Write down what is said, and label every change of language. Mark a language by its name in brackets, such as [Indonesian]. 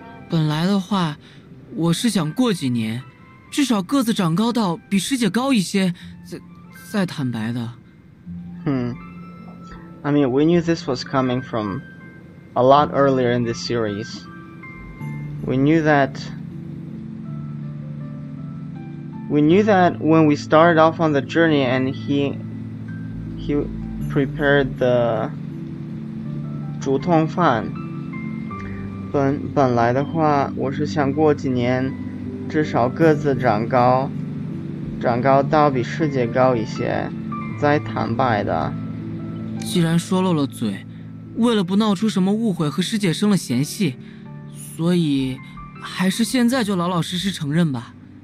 [Chinese] 本来的话，我是想过几年，至少个子长高到比师姐高一些，再坦白的。 [English] I mean, we knew this was coming from a lot earlier in this series. We knew that when we started off on the journey, and he prepared the 竹筒饭。 [Chinese] 本来的话，我是想过几年，至少个子长高到比师姐高一些，再坦白的。既然说漏了嘴，为了不闹出什么误会和师姐生了嫌隙，所以还是现在就老老实实承认吧。